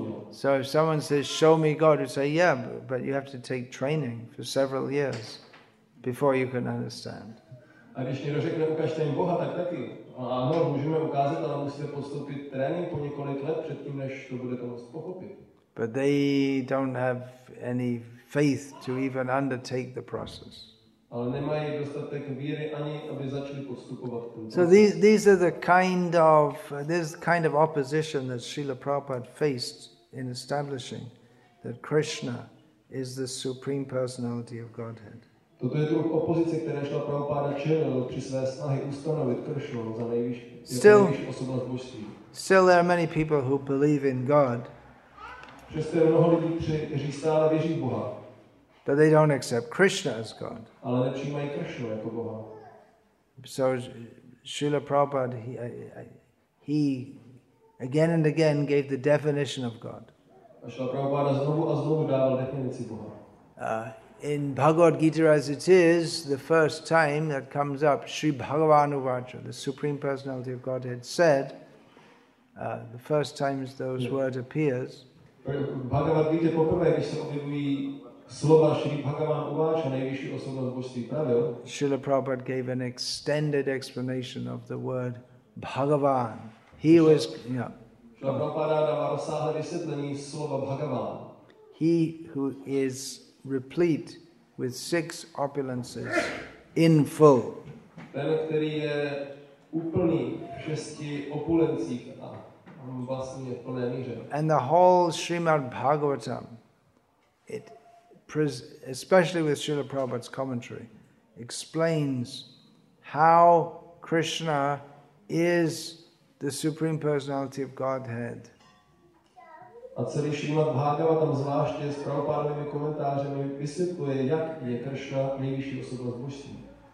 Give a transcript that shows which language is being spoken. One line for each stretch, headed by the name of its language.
English: So if someone says, show me God, you say, yeah, but you have to take training for several years before you can understand.
Czech: A když někdo řekne, ukažte jim Boha, tak taky. Ano, můžeme ukázat, ale musíte postoupit trénink po několik let předtím, než to budete moct pochopit.
English: But they don't have any faith to even undertake the process.
Czech: Ale nemají dostatek víry ani, aby začali postupovat.
English: So these are the kind of this kind of opposition that Srila Prabhupada faced in establishing that Krishna is the Supreme Personality of Godhead.
Czech: Toto je druh opozice, které Srila Prabhupada čelil při své snahy ustanovit Kršnu za nejvyšší osobnost božství.
English: Still there are many people who believe in God.
Czech: Přesto je mnoho lidí, kteří stále věří v Boha.
English: But they don't accept Krishna as God.
Czech: Ale nepřijímají Krishnu jako Boha.
English: So Srila Prabhupada, he again and again gave the definition of God.
Czech: A Srila Prabhupada znovu a znovu dával definici Boha.
English: In Bhagavad Gita as it is, the first time that comes up,
Sanskrit: Sri Bhagavan Uvacha,
English: the Supreme Personality of Godhead, said, the first time those words appear,
Czech: Bhagavad Gita poprvé, když se objevují slova
Sanskrit: Sri Bhagavan Uvacha,
Czech: nejvyšší osobnost božství, pravil,
English: Srila Prabhupada gave an extended explanation of the word Bhagavan. He was, yeah.
Czech: Srila Prabhupada dává rozsáhlé vysvětlení slova Bhagavan.
English: He who is replete with six opulences in full.
Czech: Ten, který je úplný v šesti opulencích a vlastně v plné míře.
English: And the whole Srimad Bhagavatam, it, especially with Srila Prabhupada's commentary, explains how Krishna is the Supreme Personality of Godhead.
Czech: A celý Šrimad Bhagavatam, zvláště s Prabhupádovými komentářemi, vysvětluje, jak je Kršna nejvyšší osobnost božství.